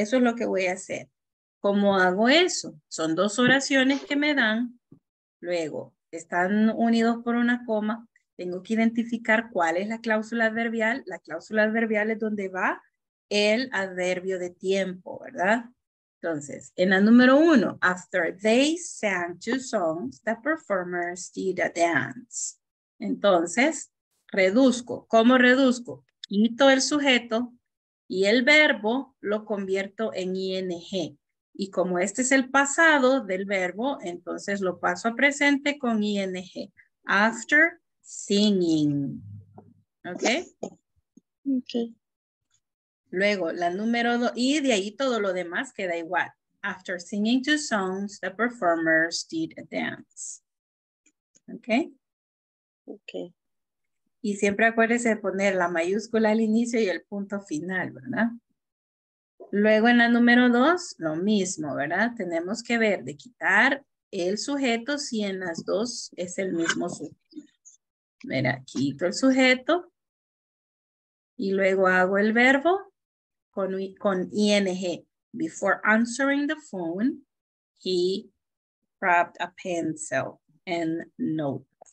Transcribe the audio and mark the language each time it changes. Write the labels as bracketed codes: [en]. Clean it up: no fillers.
[es] Eso es lo que voy a hacer. ¿Cómo hago eso? Son dos oraciones que me dan, luego están unidos por una coma, tengo que identificar cuál es la cláusula adverbial. La cláusula adverbial es donde va el adverbio de tiempo, ¿verdad? Entonces, en la número uno, [en] after they sang two songs, the performers did a dance. [es] Entonces, reduzco. ¿Cómo reduzco? Quito el sujeto y el verbo lo convierto en ing. Y como este es el pasado del verbo, entonces lo paso a presente con ing. [en] After singing. ¿Ok? Ok. [es] Luego, la número dos, y de ahí todo lo demás queda igual. [en] After singing two songs, the performers did a dance. ¿Ok? Ok. [es] Y siempre acuérdese de poner la mayúscula al inicio y el punto final, ¿verdad? Luego, en la número dos, lo mismo, ¿verdad? Tenemos que ver de quitar el sujeto si en las dos es el mismo sujeto. Mira, quito el sujeto y luego hago el verbo. Con ing. [en] Before answering the phone, he grabbed a pencil and note.